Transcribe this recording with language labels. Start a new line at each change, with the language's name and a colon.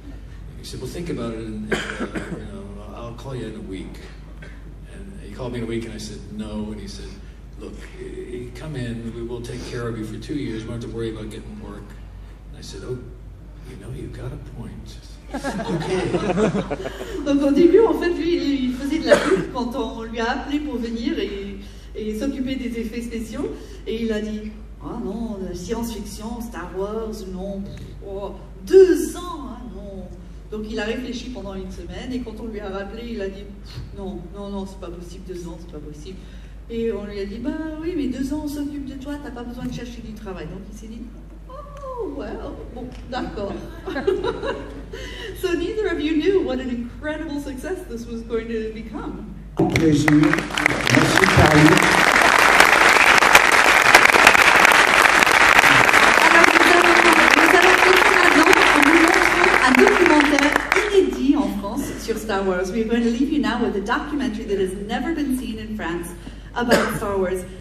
English: And he said, well, think about it, and I'll call you in a week. And he called me in a week, and I said, no. And he said, look, come in. We will take care of you for 2 years. We don't have to worry about getting work. I said, oh, you know, you've got a point. Okay.
French: Donc au début, en fait, lui, il faisait de la pub quand on lui a appelé pour venir et s'occuper des effets spéciaux. Et il a dit, ah non, science-fiction, Star Wars, non. Oh, 2 ans, hein, non. Donc il a réfléchi pendant une semaine et quand on lui a rappelé, il a dit, non, non, non, c'est pas possible, 2 ans, c'est pas possible. Et on lui a dit, bah oui, mais 2 ans, on s'occupe de toi, t'as pas besoin de chercher du travail. Donc il s'est dit, well, bon, d'accord.
English: So neither of you knew what an incredible success this was going to become.
French: Merci. Alors, vous avez compris maintenant qu'on vous montre un documentaire inédit en France sur Star Wars.
English: We're going to leave you now with a documentary that has never been seen in France about Star Wars.